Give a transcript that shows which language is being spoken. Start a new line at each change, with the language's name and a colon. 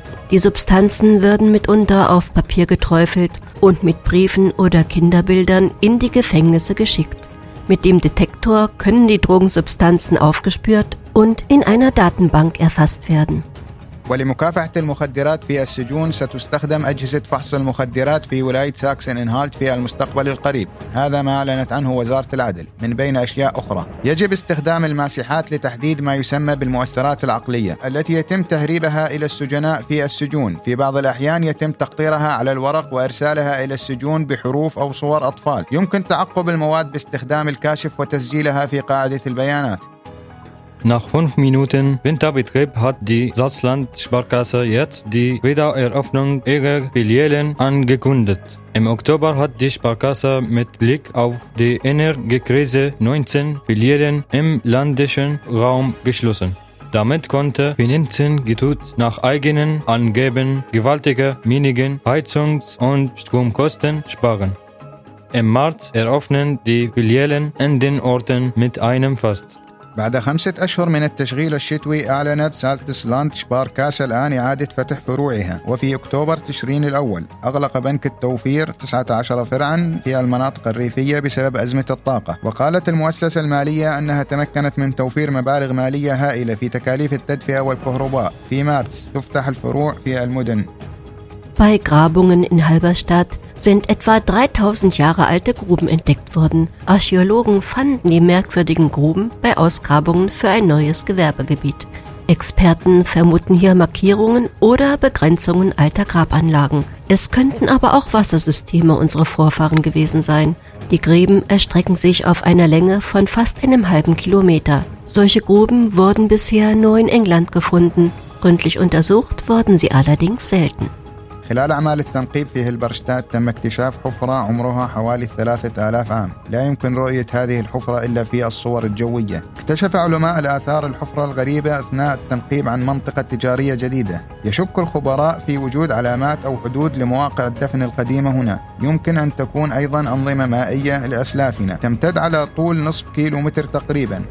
German: Die Substanzen würden mitunter auf Papier geträufelt und mit Briefen oder Kinderbildern in die Gefängnisse geschickt. Mit dem Detektor können die Drogensubstanzen aufgespürt und in einer Datenbank erfasst werden.
Arabic: ولمكافحة المخدرات في السجون ستستخدم أجهزة فحص المخدرات في ولاية ساكسن-إنهالت في المستقبل القريب. هذا ما أعلنت عنه وزارة العدل من بين أشياء أخرى. يجب استخدام الماسحات لتحديد ما يسمى بالمؤثرات العقلية التي يتم تهريبها إلى السجناء في السجون. في بعض الأحيان يتم تقطيرها على الورق وإرسالها إلى السجون بحروف أو صور أطفال. يمكن تعقب المواد باستخدام الكاشف وتسجيلها في قاعدة البيانات.
German: Nach 5 Minuten Winterbetrieb hat die Salzland-Sparkasse jetzt die Wiedereröffnung ihrer Filialen angekündigt. Im Oktober hat die Sparkasse mit Blick auf die Energiekrise 19 Filialen im ländlichen Raum geschlossen. Damit konnte Finanzinstitut nach eigenen Angaben gewaltige Minigen Heizungs- und Stromkosten sparen. Im März eröffnen die Filialen in den Orten mit einem Fast.
Arabic: بعد 5 أشهر من التشغيل الشتوي أعلنت سالتسلاند شباركاسا الآن إعادة فتح فروعها وفي أكتوبر تشرين الأول أغلق بنك التوفير 19 فرعا في المناطق الريفية بسبب أزمة الطاقة وقالت المؤسسة المالية أنها تمكنت من توفير مبالغ مالية هائلة في تكاليف التدفئة والكهرباء في مارس تفتح الفروع في المدن
German: Bei Grabungen in Halberstadt sind etwa 3000 Jahre alte Gruben entdeckt worden. Archäologen fanden die merkwürdigen Gruben bei Ausgrabungen für ein neues Gewerbegebiet. Experten vermuten hier Markierungen oder Begrenzungen alter Grabanlagen. Es könnten aber auch Wassersysteme unserer Vorfahren gewesen sein. Die Gräben erstrecken sich auf einer Länge von fast 1,5 Kilometer. Solche Gruben wurden bisher nur in England gefunden. Gründlich untersucht wurden sie allerdings selten.
Arabic: خلال أعمال التنقيب في هيلبرشتات تم اكتشاف حفرة عمرها حوالي 3000 عام، لا يمكن رؤية هذه الحفرة إلا في الصور الجوية. اكتشف علماء الآثار الحفرة الغريبة أثناء التنقيب عن منطقة تجارية جديدة. يشك الخبراء في وجود علامات أو حدود لمواقع الدفن القديمة هنا، يمكن أن تكون أيضا أنظمة مائية لأسلافنا تمتد على طول نصف كيلو متر تقريبا.